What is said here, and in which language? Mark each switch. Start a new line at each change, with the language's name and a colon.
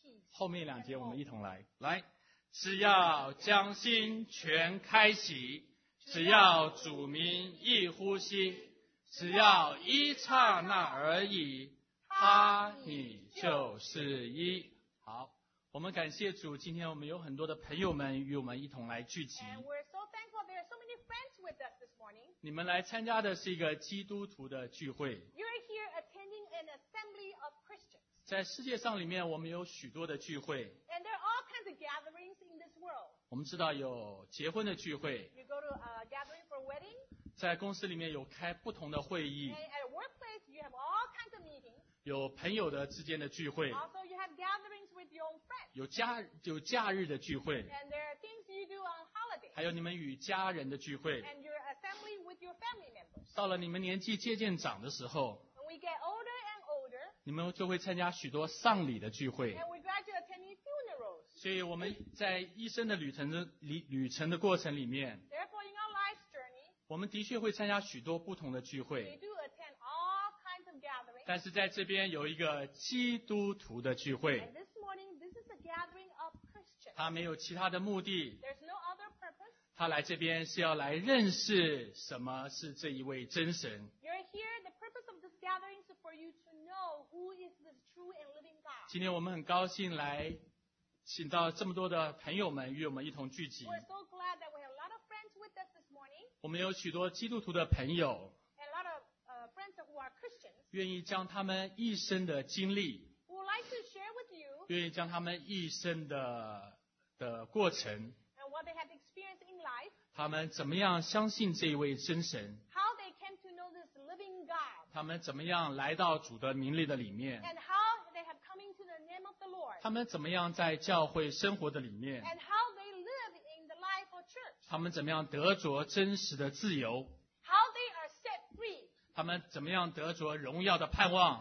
Chinese: 后面两节我们一同来，来，只要将心全开启，只要主名一呼吸，只要一刹那而已，他你就是一。好，我们感谢主，今天我们有很多的朋友们与我们一同来聚集。
English: And we're so thankful there are so many friends with us this morning.
Chinese: 你们来参加的是一个基督徒的聚会。
English: You're here attending an assembly of Christians.
Chinese: 在世界上里面，我们有许多的聚会。
English: And there are all kinds of gatherings in this world.
Chinese: 我们知道有结婚的聚会。
English: You go to a gathering for a wedding.
Chinese: 在公司里面有开不同的会议，
English: at workplace you have all kinds of meetings,
Chinese: 有朋友的之间的聚会，
English: also you have gatherings with your own friends,
Chinese: 有假日的聚会，
English: and there are things you do on holidays,
Chinese: 还有你们与家人的聚会，
English: and your assembly with your family members.
Chinese: 到了你们年纪渐渐长的时候，
English: when we get older and older,
Chinese: 你们就会参加许多丧礼的聚会。
English: And we're glad you're attending funerals.
Chinese: 所以我们在一生的旅程的过程里面，
English: Therefore, in our life's journey,
Chinese: 我们的确会参加许多不同的聚会。
English: We do attend all kinds of gatherings.
Chinese: 但是在这边有一个基督徒的聚会。
English: And this morning, this is a gathering of Christians.
Chinese: 他没有其他的目的。
English: There's no other purpose.
Chinese: 他来这边是要来认识什么是这一位真神。
English: You're here. The purpose of this gathering is for you to know who is the true and living God.
Chinese: 今天我们很高兴来请到这么多的朋友们与我们一同聚集。
English: We're so glad that we have a lot of friends with us this morning.
Chinese: 我们有许多基督徒的朋友。
English: And a lot of friends who are Christians.
Chinese: 愿意将他们一生的经历。
English: Who would like to share with you.
Chinese: 愿意将他们一生的过程。
English: And what they have experienced in life.
Chinese: 他们怎么样相信这一位真神？
English: How they came to know this living God.
Chinese: 他们怎么样来到主的名利的里面？
English: And how they have come into the name of the Lord.
Chinese: 他们怎么样在教会生活的里面？
English: And how they live in the life of church.
Chinese: 他们怎么样得着真实的自由？
English: How they are set free.
Chinese: 他们怎么样得着荣耀的盼望？